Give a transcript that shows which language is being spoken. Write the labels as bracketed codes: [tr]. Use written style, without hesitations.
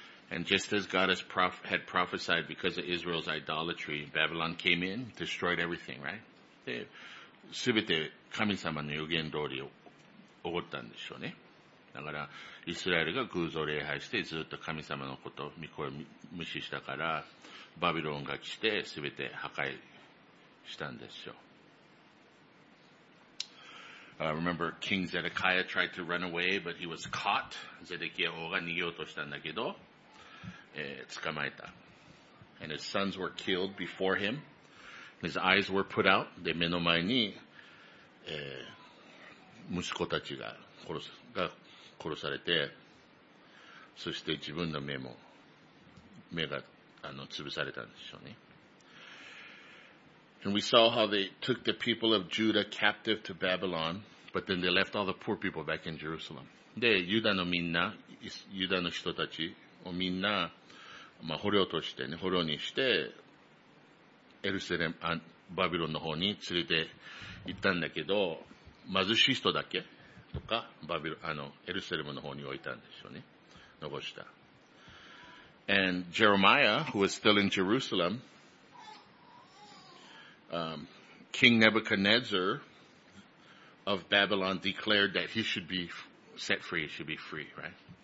[en] And just as God had prophesied because of Israel's idolatry, Babylon came in, destroyed everything, right? [ja] で、すべて神様の予言通り起こったんでしょうね。だから、イスラエルが偶像礼拝してずっと神様のこと、御声を無視したから、バビロンが来てすべて破壊したんですよ。 [en] Remember, King Zedekiah tried to run away, but he was caught. [ja] ゼデキヤ王が逃げようとしたんだけど、捕まえた。 [en] And his sons were killed before him. His eyes were put out. [ja] で、目の前に、息子たちが殺されて、そして自分の目が、潰されたんでしょうね。 [en] And we saw how they took the people of Judah captive to Babylon, but then they left all the poor people back in Jerusalem. [ja] で、ユダの人たち、をみんな、まあ、捕虜にして、エルサレム、バビロンの方に連れて行ったんだけど、貧しい人だけとか、エルサレムの方に置いたんでしょうね。残した。 [en] And Jeremiah, who was still in Jerusalem, King Nebuchadnezzar of Babylon declared that he should be set free, he should be free, right?